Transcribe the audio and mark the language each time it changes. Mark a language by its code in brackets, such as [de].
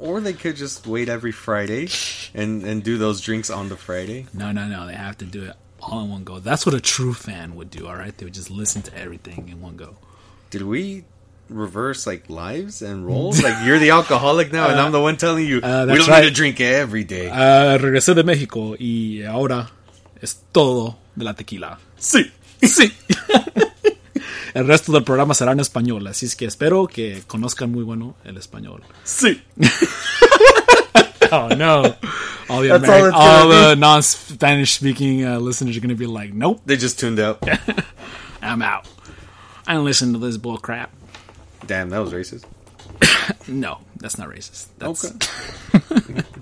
[en] Or they could just wait every Friday and do those drinks on the Friday. No. They have to do it all in one go. That's what a true fan would do, all right? They would just listen to everything in one go. Did we reverse, like, lives and roles? Like, you're the alcoholic now, and I'm the one telling you we don't need to drink every day. [es] Regresé de México, y ahora es todo de la tequila. Sí, sí. El resto del programa será en español, así es que espero que conozcan muy bueno el español. Sí. [en] Oh, no. All the non-Spanish speaking listeners are going to be like, nope. They just tuned out. I'm out. I don't listen to this bull crap. Damn, that was racist. No, that's not racist. That's... Okay.